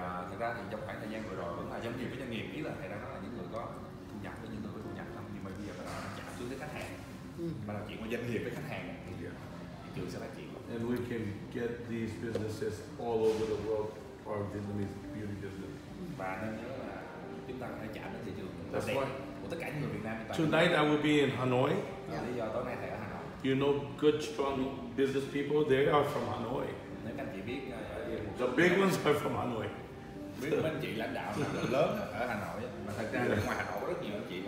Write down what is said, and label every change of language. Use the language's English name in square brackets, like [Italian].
[Vietnamese] Thật ra thì trong khoảng thời gian vừa rồi vẫn là giống như với doanh nghiệp, ý là thầy đang nói là những người có thu nhập với những người có thu nhập không, nhưng mà bây giờ bắt đầu chạm xuống tới khách hàng, bắt đầu chuyện qua doanh nghiệp với khách hàng thì thị trường sẽ là chuyện. [English] And we can get these businesses all over the world for Vietnamese beauty business. [Vietnamese] Và nên nhớ là chúng ta có thể chạm đến thị trường là đẹp của tất cả những người Việt Nam. [English] Tonight I will be in Hanoi. [Vietnamese] Lý do tối nay thầy ở Hà Nội. [English] You know good strong business people, they are from Hanoi. [Vietnamese] Nếu các anh chị biết [English] the big ones are from Hanoi. [Vietnamese] Biết mấy anh chị lãnh đạo lớn ở Hà Nội, mà thật ra ngoài Hà Nội rất nhiều anh chị.